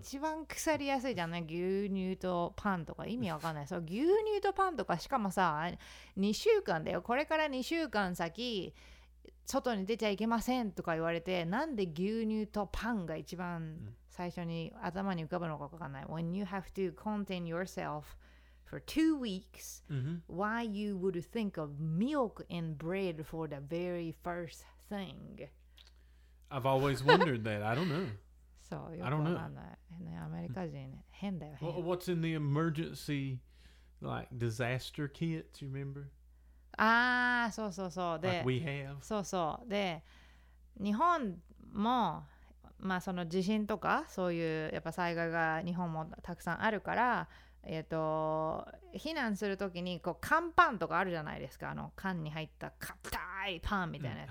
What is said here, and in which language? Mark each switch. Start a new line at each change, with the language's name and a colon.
Japanese: 一番腐りやすいじゃんね牛乳とパンとか意味わかんないそう牛乳とパンとかしかもさ2週間だよこれから2週間先外に出ちゃいけませんとか言われてなんで牛乳とパンが一番最初に頭に浮かぶのかわかんない、うん、
English: When you have to contain yourself for 2 weeks、
Japanese: うん、
English: why you would think of milk and bread for the very first thing I've always wondered that I don't know
Japanese: そうよくわかんない、ね、アメリカ人、うん、変だよ変
English: well, What's in the emergency like disaster kit you remember?
Japanese: ああそうそうそうで、
English: like、we have.
Japanese: そうそうで日本もまあその地震とかそういうやっぱ災害が日本もたくさんあるから避難するときにこう乾パンとかあるじゃないですかあの缶に入った硬いパンみたいなやつ、